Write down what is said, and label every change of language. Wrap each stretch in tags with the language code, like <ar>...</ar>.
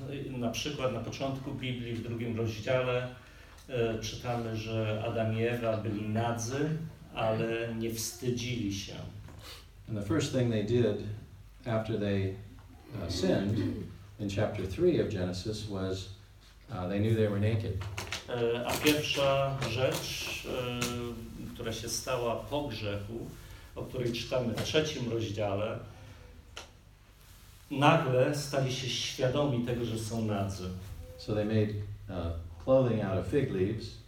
<pl>Na przykład na początku Biblii, w drugim rozdziale, czytamy, że Adam i Ewa byli nadzy, ale nie wstydzili się.</pl> <en>And the first thing they did after they sinned in chapter 3 of Genesis was they knew they were naked.</en> <pl>A pierwsza rzecz, która się stała po grzechu, o której czytamy w trzecim rozdziale, nagle stali się świadomi tego, że są nadzy.</pl> <en>So they made clothing out of fig leaves.</en>